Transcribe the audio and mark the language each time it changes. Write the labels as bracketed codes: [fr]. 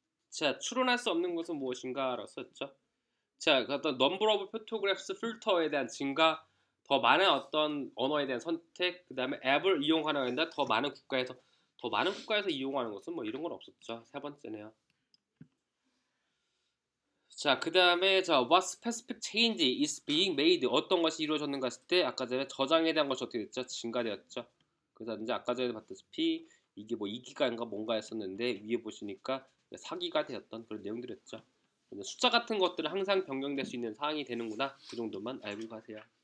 [ko] 자, 추론할 수 없는 것은 무엇인가 알았었죠. 자, 그 어떤 [en] number of photographs filter [ko] 에 대한 증가 더 많은 어떤 언어에 대한 선택, 그 다음에 앱을 이용하는 것인데 더 많은 국가에서 이용하는 것은 뭐 이런 건 없었죠. 세 번째네요. 자, 그 다음에 [en] What specific change is being made? [ko] 어떤 것이 이루어졌는가 했을 때 아까 전에 저장에 대한 것이 어떻게 됐죠? 증가되었죠. 그래서 이제 아까 전에 봤다시피 이게 뭐 2기가인가 뭔가 했었는데 위에 보시니까 4기가 되었던 그런 내용들이었죠. 숫자 같은 것들은 항상 변경될 수 있는 사항이 되는구나. 그 정도만 알고 가세요.